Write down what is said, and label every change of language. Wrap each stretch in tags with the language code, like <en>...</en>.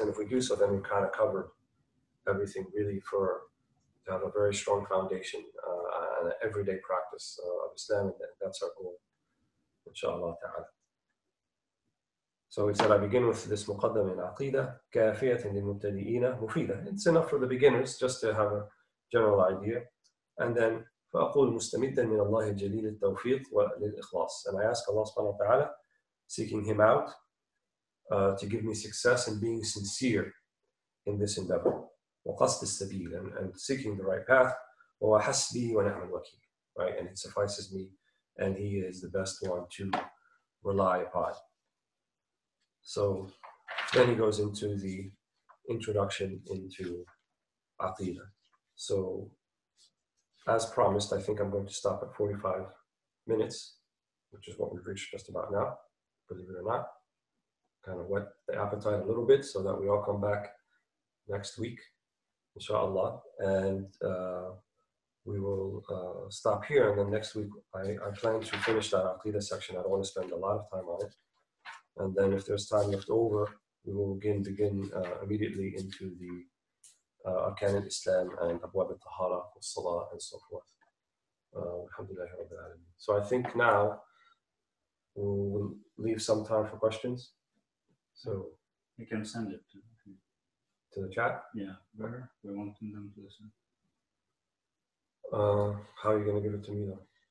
<en>And if we do so, then we kind of cover everything really for to have a very strong foundation and an everyday practice of Islam. And that's our goal, inshallah ta'ala. So he said, I begin with this muqaddam in aqidah,</en> <ar>kafiyatin lil mubtadi'ina, mufida.</ar> <en>It's enough for the beginners, just to have a general idea. And then,</en> <ar>فَأَقُولُ مُسْتَمِدًا مِنَ اللَّهِ الْجَلِيلِ التَّوْفِيقِ وَلِلْإِخْلَاصِ.</ar> <en>And I ask Allah subhanahu wa ta'ala, seeking him out, to give me success in being sincere in this endeavor.</en> <ar>وَقَصْدِ السَّبِيلِ,</ar> <en>and seeking the right path.</en> <ar>وَحَسْبِي وَنَعْمَ الْوَكِيلِ.</ar> <en>Right, and it suffices me, and he is the best one to rely upon. So then he goes into the introduction into Aqidah. So as promised, I think I'm going to stop at 45 minutes, which is what we've reached just about now, believe it or not. Kind of whet the appetite a little bit so that we all come back next week, inshallah. And we will stop here. And then next week, I plan to finish that Aqidah section. I don't want to spend a lot of time on it. And then if there's time left over, we will begin immediately into the</en> <ar>أركان الإسلام</ar> <en>and</en> <ar>أبواب الطهارة والصلاة</ar> <en>and so forth.</en> <ar>الحمد لله رب العالمين.</ar> <en>So I think now we'll leave some time for questions. So you can send it to the chat. Yeah, where we want them to listen. How are you going to give it to me though?</en>